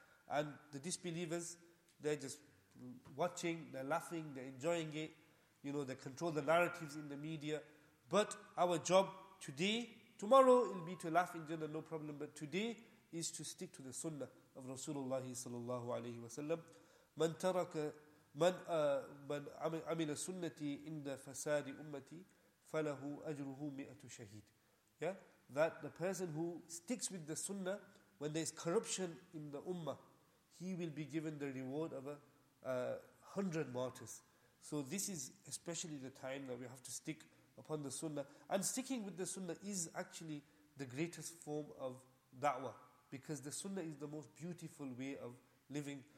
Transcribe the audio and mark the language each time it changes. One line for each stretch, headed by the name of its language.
English: And the disbelievers, they're just watching, they're laughing, they're enjoying it, they control the narratives in the media. But our job today, tomorrow it'll be to laugh in Jannah, no problem. But today is to stick to the Sunnah of Rasulullah sallallahu alaihi wasallam.
Arabic: من ترك من عمل سنتي عند فساد أمتي فله أجره مئة شهيد.
English: Yeah, that the person who sticks with the sunnah, when there's corruption in the ummah, he will be given the reward of 100 martyrs. So this is especially the time that we have to stick upon the sunnah. And sticking with the sunnah is actually the greatest form of da'wah, because the sunnah is the most beautiful way of living.